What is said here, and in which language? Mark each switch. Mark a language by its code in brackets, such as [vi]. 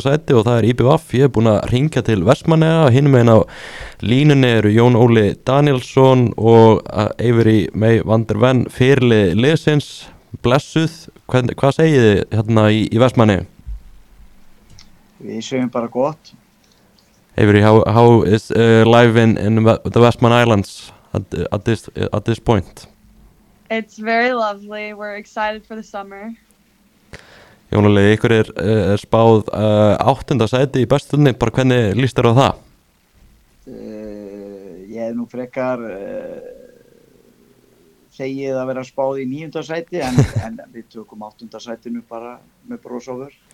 [is] sæti og það IBVF. Ég búin að hringja til Vestmannega, hinn meginn á línunni eru Jón Óli Danielsson og Avery May van der Ven, fyrli liðsins, blessuð. Hvað segið þið hérna í Vestmanni? Við segjum bara gott. [en] Avery, how is life in the Vestmann Islands at this point? It's very lovely. We're excited for the summer. [is] Jón Óli, ykkur er spáð áttunda sæti í bestunni, bara hvernig líst þér á það? Ég hef nú frekar þegið að vera spáð í níunda sæti, en við tökum áttunda sætinu bara með bros over.